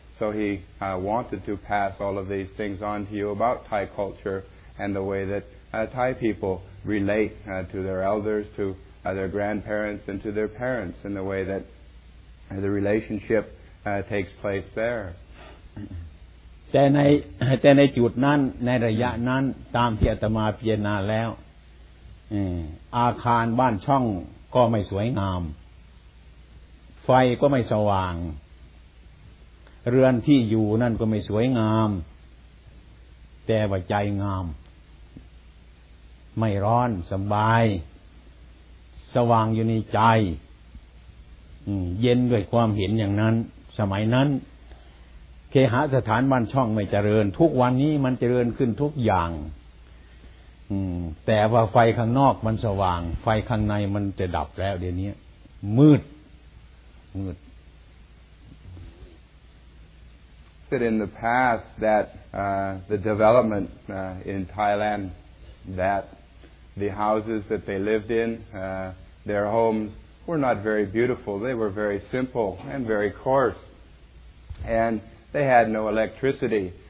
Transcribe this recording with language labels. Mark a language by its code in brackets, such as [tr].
[en] So he wanted to pass all of these things on to you about Thai culture and the way that Thai people relate to their elders, to their grandparents, and to their parents, and the way that the relationship takes place there. [th] แต่ในจุดนั้นในระยะนั้นตามที่อาตมาพิจารณาแล้วอาคารบ้านช่องก็ไม่สวยงามไฟก็ไม่สว่างเรือนที่อยู่นั่นก็ไม่สวยงามแต่ว่าใจงามไม่ร้อนสบายสว่างอยู่ในใจ เย็นด้วยความเห็นอย่างนั้นสมัยนั้นเคหสถานบ้านช่องไม่เจริญทุกวันนี้มันเจริญขึ้นทุกอย่างแต่ว่าไฟข้างนอกมันสว่างไฟข้างในมันจะดับแล้วเดี๋ยวนี้มืด [en] Said in the past that the development in Thailand, that the houses that they lived in, their homes were not very beautiful. They were very simple and very coarse, and they had no electricity.